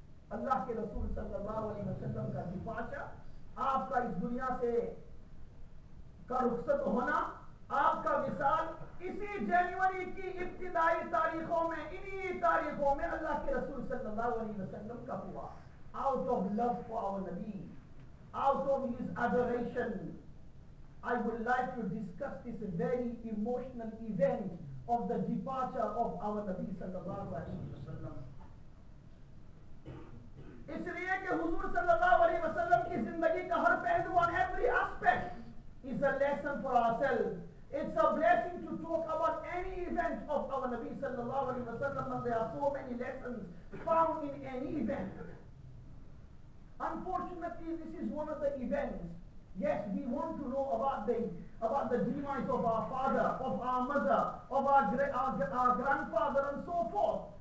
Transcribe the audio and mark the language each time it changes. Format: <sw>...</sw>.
<ur>Allah ke Rasul sallallahu alayhi wa sallam ka departure, aapka is duniya se کا رخصت ہونا آپ کا وصال اسی جنوری کی ابتدائی تاریخوں میں انہی تاریخوں میں اللہ کے رسول صلی اللہ علیہ وسلم کا ہوا.</ur> <en>Out of love for our Nabi, out of his adoration, I would like to discuss this very emotional event of the departure of our Nabi sallallahu alayhi wa sallam.</en> <ur>اس لیے کہ حضور صلی اللہ علیہ وسلم کی زندگی کا ہر پہلو</ur> <en>on every aspect is a lesson for ourselves. It's a blessing to talk about any event of our Nabi sallallahu alayhi wa sallam, and there are so many lessons found in any event. Unfortunately, this is one of the events. Yes, we want to know about the demise of our father, of our mother, of our grandfather, and so forth.</en>